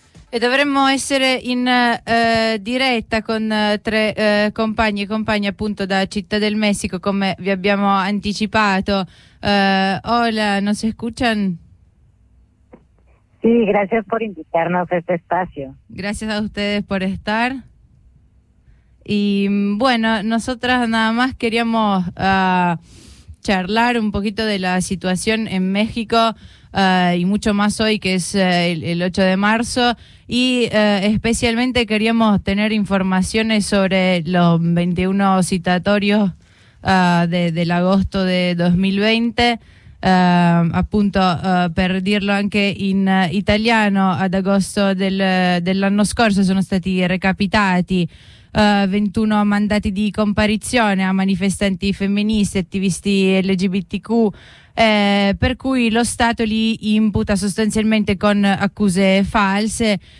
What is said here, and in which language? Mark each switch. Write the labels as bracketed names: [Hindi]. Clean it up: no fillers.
[Italian] E dovremmo essere in diretta con tre compagni e compagne appunto da Città del Messico, come vi abbiamo anticipato. [Spanish] Hola, ¿nos escuchan? Sí, gracias por invitarnos a este espacio. Gracias a ustedes por estar. Y bueno, nosotras nada más queríamos charlar un poquito de la situación en México, y mucho más hoy que es el 8 de marzo, y especialmente queríamos tener informaciones sobre los 21 citatorios del agosto de 2020. [Italian] Appunto per dirlo anche in italiano, ad agosto dell'anno scorso sono stati recapitati 21 mandati di comparizione a manifestanti femministe, attivisti LGBTQ, per cui lo Stato li imputa sostanzialmente con accuse false.